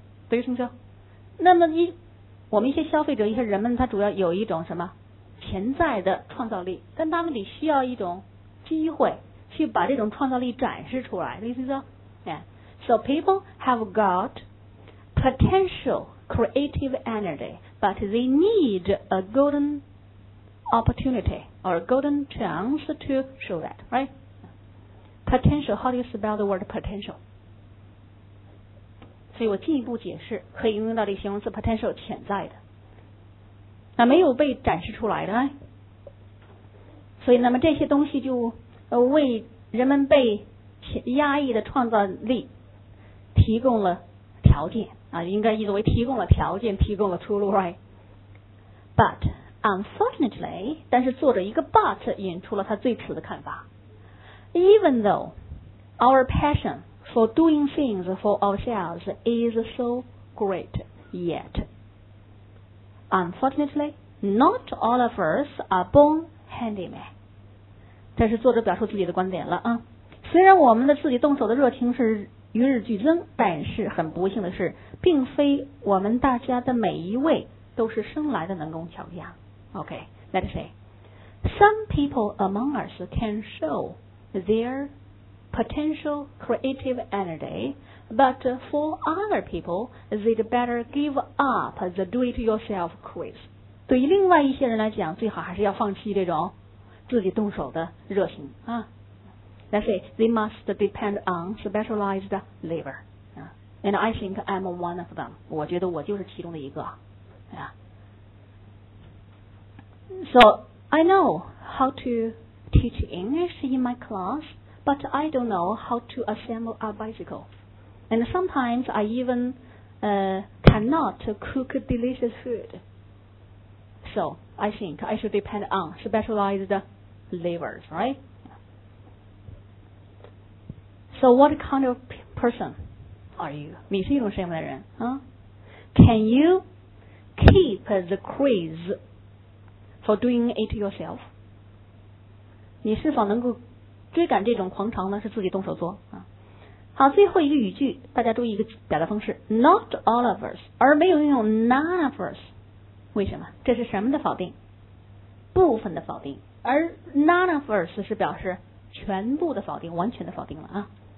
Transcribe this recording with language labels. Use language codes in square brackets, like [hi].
[zh] 对于同学，那么我们一些消费者，一些人们，他主要有一种什么潜在的创造力，但他们得需要一种机会去把这种创造力展示出来。对于同学 [en] ，So people have got potential creative energy. But they need a golden opportunity or a golden chance to show that, right? Potential, how do you spell the word potential? [zh] 所以我进一步解释，可以运用到这个形容词 potential, 潜在的。那没有被展示出来的，所以那么这些东西就为人们被压抑的创造力提供了条件。应该意思为提供了条件，提供了出路 ，right? [en] But unfortunately, [zh] 但是作者一个 but 引出了他最迟的看法。 [en] Even though our passion for doing things for ourselves is so great, yet unfortunately, not all of us are born handyman. [zh] 这是作者表述自己的观点了啊。虽然我们的自己动手的热情是与日俱增，但是很不幸的是，并非我们大家的每一位都是生来的能工巧匠。 [en] OK, let's say, some people among us can show their potential creative energy, but for other people, they'd better give up the do-it-yourself quiz. [zh] 对于另外一些人来讲，最好还是要放弃这种自己动手的热情啊。 [en] Let's say they must depend on specialized labor. And I think I'm one of them. [zh] 我觉得我就是其中的一个。 [en] So I know how to teach English in my class, but I don't know how to assemble a bicycle. And sometimes I even cannot cook delicious food. So I think I should depend on specialized labors, right? So what kind of person are you? [zh] 你是一种什么样的人啊？ [en] Can you keep the craze for doing it yourself? [zh] 你是否能够追赶这种狂潮呢？是自己动手做啊？好，最后一个语句，大家注意一个表达方式 ，not all of us， 而没有运用 none of us， 为什么？这是什么的否定？部分的否定，而 none of us 是表示全部的否定，完全的否定了啊。